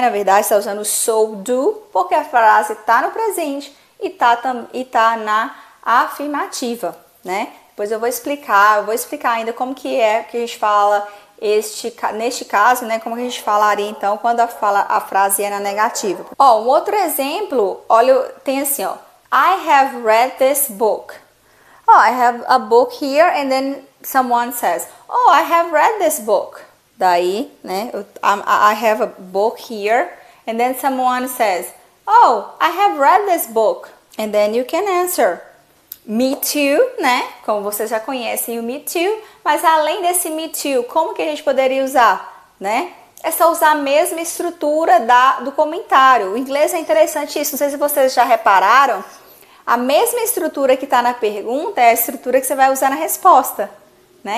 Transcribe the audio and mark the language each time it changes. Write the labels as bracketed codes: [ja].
[pt] Na verdade, você tá usando o so do porque a frase tá no presente e tá na afirmativa, né? Depois eu vou explicar ainda como que é que a gente fala neste caso, né? Como que a gente falaria então quando a frase é na negativa. Ó, um outro exemplo, olha, tem assim, ó. [en] I have read this book. Oh, I have a book here and then someone says, oh, I have read this book. [pt] Daí, né? [en] I have a book here and then someone says, oh, I have read this book. And then you can answer. Me too, né? [pt] Como vocês já conhecem o me too, mas além desse me too, como que a gente poderia usar, né? É só usar a mesma estrutura do comentário. O inglês é interessante isso, não sei se vocês já repararam. A mesma estrutura que está na pergunta é a estrutura que você vai usar na resposta, né?